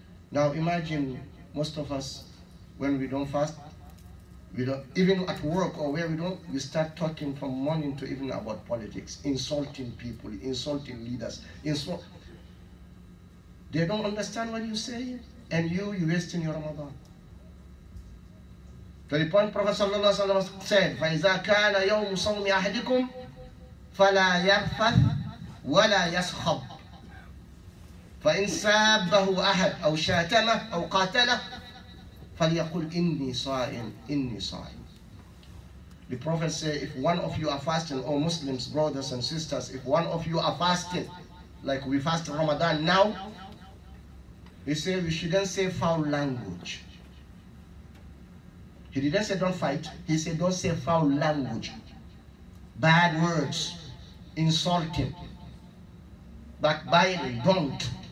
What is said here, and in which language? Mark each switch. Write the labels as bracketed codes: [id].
[en] Now imagine most of us, when we don't fast, we don't, even at work or where we don't, we start talking from morning to evening about politics, insulting people, insulting leaders. They don't understand what you're saying, and you're wasting your Ramadan. The point Prophet sallallahu alaihi wasallam said, [ar] فَإِذَا كَانَ يَوْمُ صَوْمِ أَحْدِكُمْ فَلَا يَرْفَثْ وَلَا يَسْخَبْ فَإِنْ سَابَّهُ أَحَدْ أَوْ شَاتَمَهُ أَوْ قَاتَلَهُ فَلْيَقُلْ إِنِّي صَائِمْ إِنِّي صَائِمْ. [en] The Prophet said, if one of you are fasting, O Muslims, brothers and sisters, if one of you are fasting, like we fast Ramadan now, he said, you shouldn't say foul language. He didn't say don't fight. He said, don't say foul language. Bad words, insulting, backbiting, don't.